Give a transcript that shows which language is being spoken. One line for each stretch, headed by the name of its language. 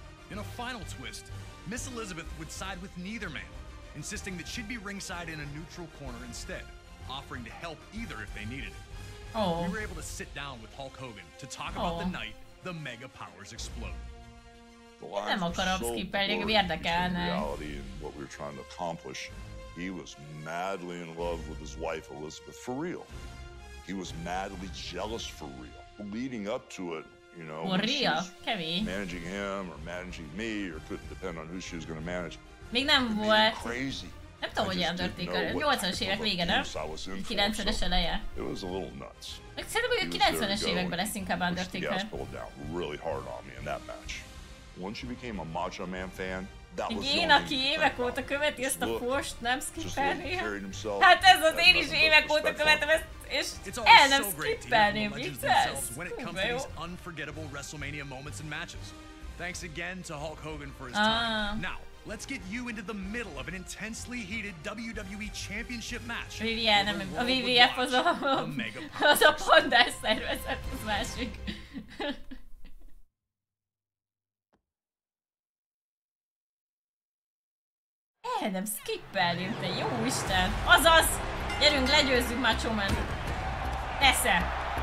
English: In a final twist, Miss Elizabeth would side with neither man, insisting that she'd be ringside in a neutral corner instead, offering to help either if they needed it. Oh. We were able to sit down with Hulk Hogan to talk about the night the mega powers explode.
Hungarian: Nem akarom skippelni, érdekelne.
English: Reality and what we were trying to accomplish. He was madly in love with his wife Elizabeth for real. He was madly jealous for real. Leading up to it, you know, managing him or managing me or couldn't depend on who she was going to manage.
Hungarian: Még nem volt.
English: Crazy.
Hungarian: Nem tudom, hogy Undertaker. 80-as évek vége, nem? 90-es eleje.
English: It was a little nuts.
Hungarian: Szerintem, hogy a 90-es években lesz inkább Undertaker.
English: He pulled down really hard on me in that match. Once you became a Macho Man fan, that was
Hungarian: én, aki évek óta követi ezt a post, nem skippelnél? Hát ez az én is évek óta követem ezt.
English: It's all so great to hear from the legends themselves when it comes to these unforgettable WrestleMania moments and matches. Thanks again to Hulk Hogan for his time. Now, let's get you into the middle of an intensely heated WWE Championship match.
Hungarian: Vivian, a WWF az a pandás szervezet, az másik. Nem skippelni, te jó Isten! Azaz! Gyerünk, legyőzzük már Macho Man! Esze!